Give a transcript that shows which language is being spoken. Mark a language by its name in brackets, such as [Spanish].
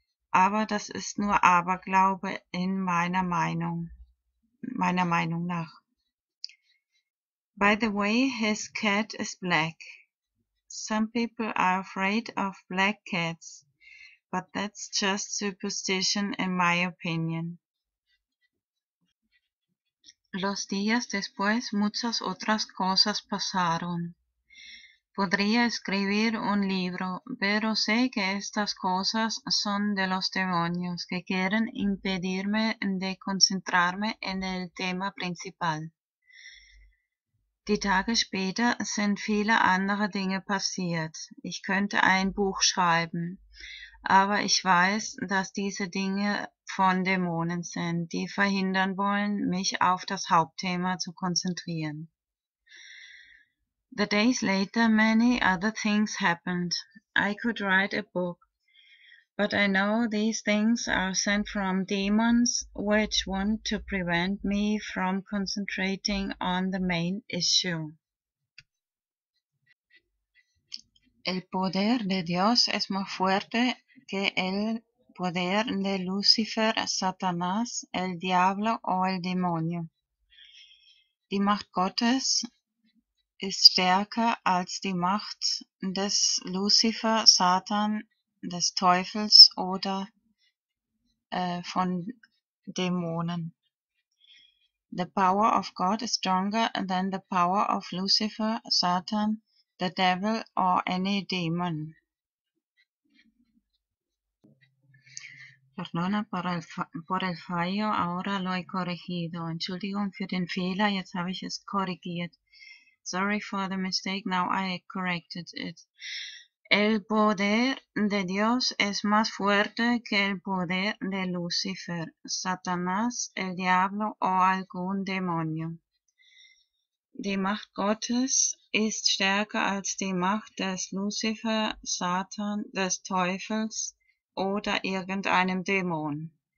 [German] Aber das ist nur Aberglaube in meiner Meinung nach. [English] By the way, his cat is black. Some people are afraid of black cats, but that's just superstition in my opinion. [Spanish] Los días después, muchas otras cosas pasaron. Podría escribir un libro, pero sé que estas cosas son de los demonios que quieren impedirme de concentrarme en el tema principal. [German] Die Tage später sind viele andere Dinge passiert. Ich könnte ein Buch schreiben, aber ich weiß, dass diese Dinge von Dämonen sind, die verhindern wollen, mich auf das Hauptthema zu konzentrieren. [English] The days later, many other things happened. I could write a book, but I know these things are sent from demons which want to prevent me from concentrating on the main issue. [Spanish] El poder de Dios es más fuerte que el poder de Lucifer, Satanás, el diablo o el demonio. [German] Die Macht Gottes ist stärker als die Macht des Lucifer, Satan, des Teufels oder von Dämonen. [English] The power of God is stronger than the power of Lucifer, Satan, the devil or any demon. [Spanish] Perdona por el fallo, ahora lo he corregido. [German] Entschuldigung für den Fehler, jetzt habe ich es korrigiert. [English] Sorry for the mistake, now I corrected it. [Spanish] El poder de Dios es más fuerte que el poder de Lucifer, Satanás, el diablo o algún demonio. [German] Die Macht Gottes ist stärker als die Macht des Lucifer, Satan, des Teufels oder irgendeinem Dämon.